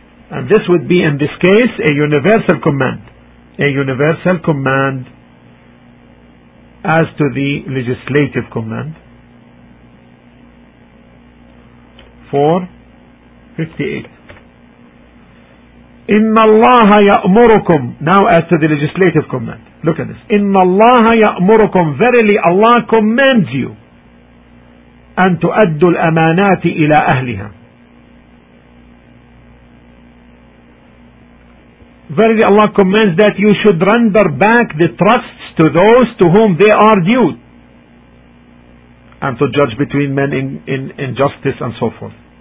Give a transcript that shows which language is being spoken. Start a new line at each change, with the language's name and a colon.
English: And this would be, in this case, a universal command. A universal command as to the legislative command.
Arabic: 4:58. إِنَّ اللَّهَ يَأْمُرُكُمْ.
English: Now as to the legislative command. Look at this.
Arabic: إِنَّ اللَّهَ يَأْمُرُكُمْ.
English: Verily Allah commands you
Arabic: أَنْ تُؤَدُّ الْأَمَانَاتِ إِلَىٰ أَهْلِهَا.
English: Verily Allah commands that you should render back the trusts to those to whom they are due, and to judge between men in justice and so forth.